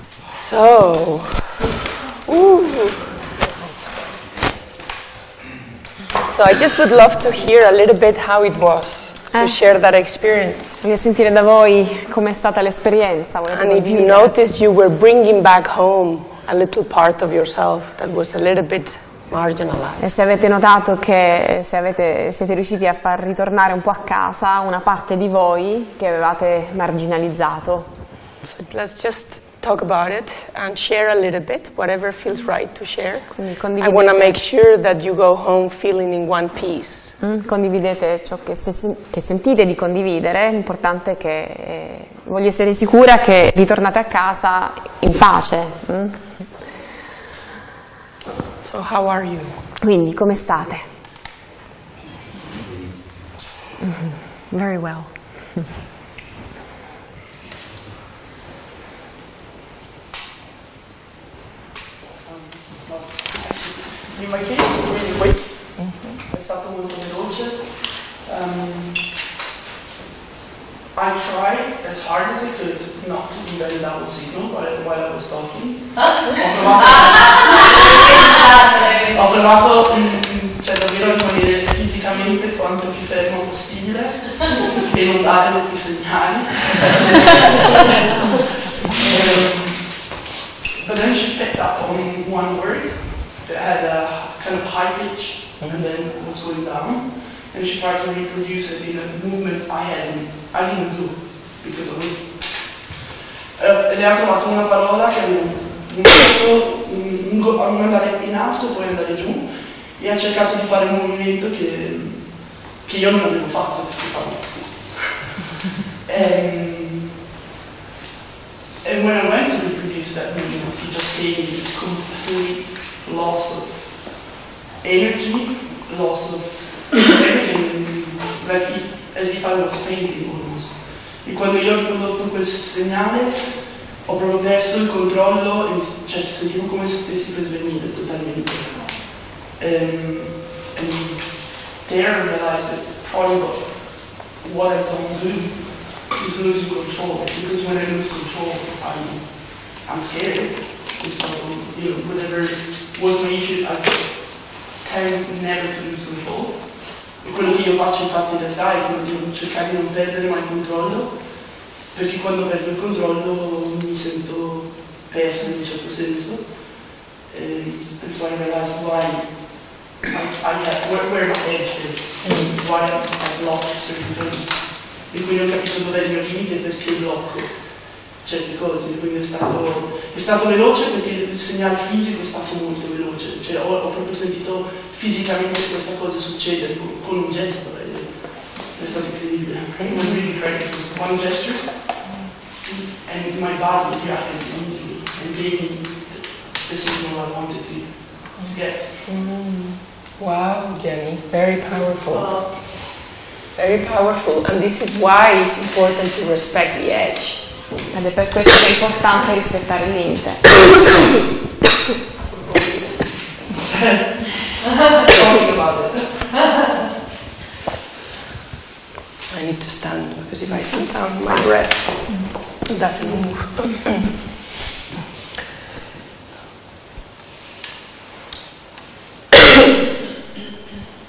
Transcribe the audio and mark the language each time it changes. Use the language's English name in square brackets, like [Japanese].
[English] So, so I just would love to hear a little bit how it was to share that experience. [Italian] Voglio sentire da voi com'è stata l'esperienza. [English] And if you noticed, you were bringing back home a little part of yourself that was a little bit marginalized. [Italian] E se avete notato che siete riusciti a far ritornare un po' a casa una parte di voi che avevate marginalizzato. [English] So let's just talk about it and share a little bit, whatever feels right to share. [Italian] Quindi [English] I want to make sure that you go home feeling in one piece. [Italian] Condividete ciò che sentite di condividere. L'importante è che voglio essere sicura che ritornate a casa in pace. [English] So how are you? [Italian] Quindi come state? [English] Very well. [Italian] Prima che poi è stato molto veloce. [English] I try as hard as I could not to be very loud signal while I was talking. [Italian] Ho provato, cioè davvero rimanere fisicamente quanto più fermo possibile e non dare più segnali. [English] But then she picked up on one word that had a kind of high pitch and then was going down, and she tried to reproduce it in a movement I didn't do because of this. [Italian] Lei ha trovato una parola che un andare in alto, poi andare giù, e ha cercato di fare un movimento che io non avevo fatto perché stavo. [English] And when I went to reproduce that movement, it just gave me complete loss of energy, loss of everything, like as if I was fainting almost. [Italian] E quando io ho riprodotto quel segnale, ho proprio perso il controllo e cioè sentivo come se stessi per svenire totalmente. [English] And there I realized that probably what I don't do is losing control, because when I lose control, I'm scared. And so, you know, whatever was my issue, I tend never to lose control. [Italian] E quello che io faccio infatti in realtà è quello di cercare di non perdere mai il controllo, perché quando perdo il controllo mi sento persa in un certo senso. [English] And so I realized why where my edge is, why I block certain things. [Italian] E quindi ho capito dove è il mio limite e perché blocco certe cose. Quindi è stato veloce perché il segnale fisico è stato molto veloce. Cioè ho proprio sentito fisicamente questa cosa succedere con un gesto. È stato incredibile. [English] It was really incredible. One gesture and my body reacted immediately and gave me the signal I wanted to get. Wow, Jenny. Very powerful. Very powerful, and this is why it's important to respect the edge. [Italian] Ed è per questo che è importante rispettare il limite. [English] I need to stand because if I sit down, my breath doesn't move.